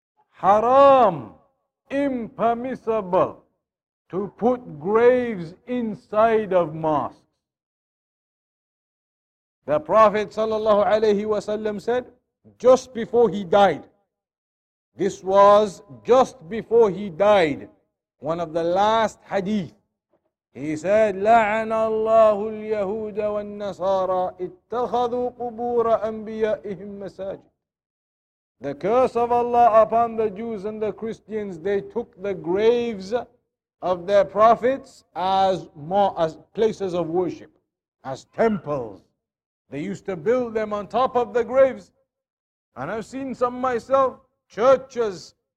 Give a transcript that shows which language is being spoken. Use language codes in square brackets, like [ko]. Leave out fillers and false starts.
[en] Haram, impermissible to put graves inside of mosques. The Prophet sallallahu alayhi wasallam said, just before he died, this was just before he died, one of the last hadith. He said, [ar] لَعَنَ اللَّهُ الْيَهُودَ وَالنَّصَارَى اتَّخَذُوا قُبُورَ أَنْبِيَائِهِمْ مَسَاجِدًا. [en] The curse of Allah upon the Jews and the Christians, they took the graves of their prophets as places of worship, as temples. They used to build them on top of the graves. And I've seen some myself, churches.